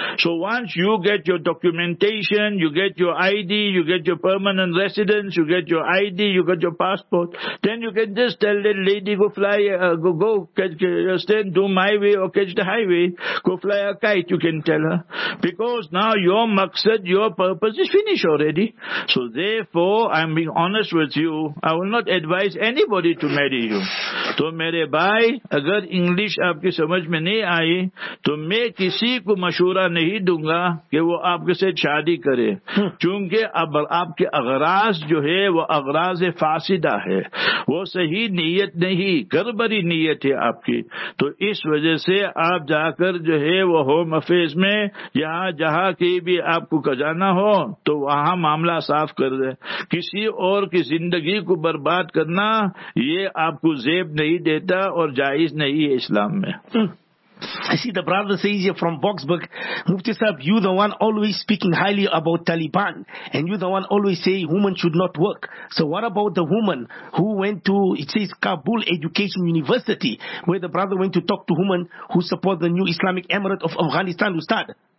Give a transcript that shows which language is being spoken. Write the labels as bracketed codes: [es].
[en] So once you get your documentation, you get your ID, you get your permanent residence, you get your ID, you get your passport, then you can just tell the lady, go fly, go, do my way or catch the highway, go fly a kite, you can tell her. Because now your maqsad, your purpose is finished already. So therefore, I'm being honest with you, I will not advise anybody to marry you. [ur] To mere bhai, agar English aapki samajh mein nahi aayi, to main kisi ko mashhoor نہیں دوں گا کہ وہ آپ سے شادی کرے چونکہ اب آپ کے اغراض جو ہے وہ اغراض فاسدہ ہے وہ صحیح نیت نہیں گربری نیت ہے آپ کی تو اس وجہ سے آپ جا کر جو ہے وہ ہوم افیس میں یہاں جہاں کی بھی آپ کو کجانا ہو تو وہاں معاملہ صاف کر دیں کسی اور کی زندگی کو برباد کرنا یہ آپ کو زیب نہیں دیتا اور جائز نہیں ہے اسلام میں [en] I see the brother says here from Boxburg, Mufti Sahib, you the one always speaking highly about Taliban, and you the one always say women should not work. So what about the woman who went to, it says Kabul Education University, where the brother went to talk to women who support the new Islamic Emirate of Afghanistan, Ustad?